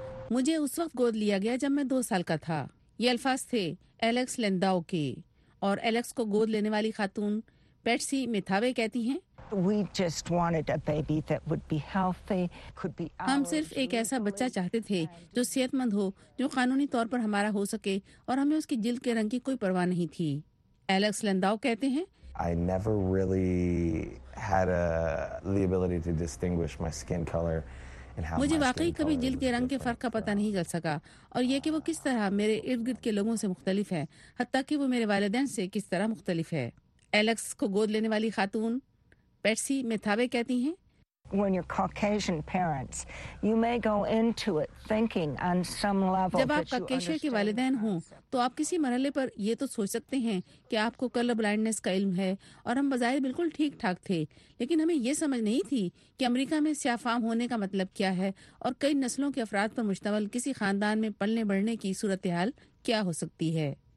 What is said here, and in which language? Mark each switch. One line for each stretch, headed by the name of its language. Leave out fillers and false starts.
Urdu: مجھے اس وقت گود لیا گیا جب میں 2 سال کا تھا. یہ الفاظ تھے الیکس لینداؤ کے, اور الیکس کو گود لینے والی خاتون پیٹسی میتھاوے کہتی ہیں, ہم صرف ایک ایسا بچہ چاہتے تھے جو صحت مند ہو, جو قانونی طور پر ہمارا ہو سکے, اور ہمیں اس کی جلد کے رنگ کی کوئی پرواہ نہیں تھی. الیکس لینداؤ کہتے ہیں,
English: I never really had the ability to distinguish my skin color.
Urdu: مجھے واقعی کبھی جلد کے رنگ کے فرق کا پتہ نہیں چل سکا, اور یہ کہ وہ کس طرح میرے ارد گرد کے لوگوں سے مختلف ہے, حتیٰ کہ وہ میرے والدین سے کس طرح مختلف ہے. الیکس کو گود لینے والی خاتون پیٹسی میتھاوے کہتی ہیں,
English: When you're Caucasian parents, you may go into it thinking on some level
Urdu: جب آپ ککیشے کے والدین ہوں تو آپ کسی مرحلے پر یہ تو سوچ سکتے ہیں کہ آپ کو کلر بلائنڈنیس کا علم ہے, اور ہم بظاہر بالکل ٹھیک ٹھاک تھے, لیکن ہمیں یہ سمجھ نہیں تھی کہ امریکہ میں سیاہ فام ہونے کا مطلب کیا ہے, اور کئی نسلوں کے افراد پر مشتمل کسی خاندان میں پلنے بڑھنے کی صورتحال کیا ہو سکتی ہے.